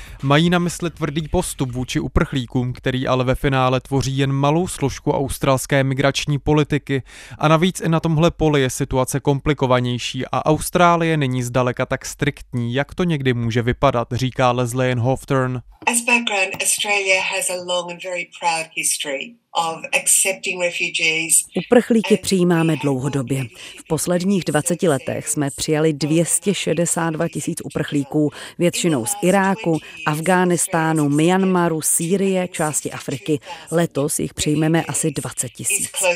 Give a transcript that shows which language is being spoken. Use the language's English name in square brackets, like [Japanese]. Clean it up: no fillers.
[Czech] Mají na mysli tvrdý postup vůči uprchlíkům, který ale ve finále tvoří jen malou složku australské migrační politiky. A navíc i na tomhle poli je situace komplikovanější a Austrálie není zdaleka tak striktní, jak to někdy může vypadat, říká Leslie Hofturn. [English] As background, Australia has a long and very proud history of accepting refugees. [Czech] Uprchlíky přijímáme dlouhodobě. V posledních 20 letech jsme přijali 262 tisíc uprchlíků, většinou z Iráku, Afghánistánu, Myanmaru, Sýrie, části Afriky. Letos jich přijmeme asi 20 tisíc.